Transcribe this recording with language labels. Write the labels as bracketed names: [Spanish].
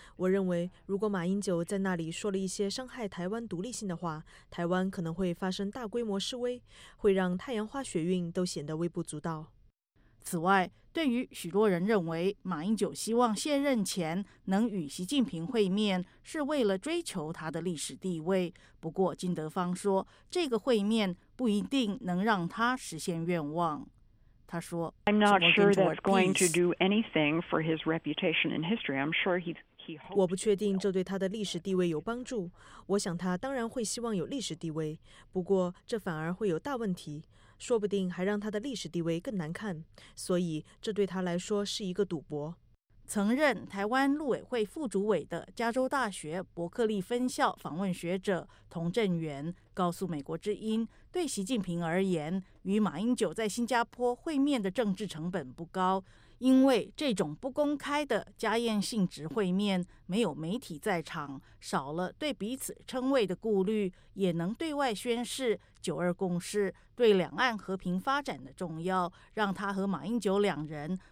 [Chinese] 我认为，如果马英九在那里说了一些伤害台湾独立性的话，台湾可能会发生大规模示威，会让太阳花学运都显得微不足道。此外，对于许多人认为马英九希望卸任前能与习近平会面是为了追求他的历史地位，不过金德芳说这个会面不一定能让他实现愿望。他说 [English] I'm not sure that's going to do anything for his reputation in history. I'm sure he's [Chinese] We不确定这对他的历史地位有帮助。我想他当然会希望有历史地位，不过这反而会有大问题，说不定还让他的历史地位更难看，所以这对他来说是一个赌博。曾任台湾陆委会副主委的加州大学伯克利分校访问学者童振源告诉美国之音，对习近平而言，与马英九在新加坡会面的政治成本不高，因为这种不公开的家宴性质会面，没有媒体在场，少了对彼此称谓的顾虑，也能对外宣示九二共识对两岸和平发展的重要，让他和马英九两人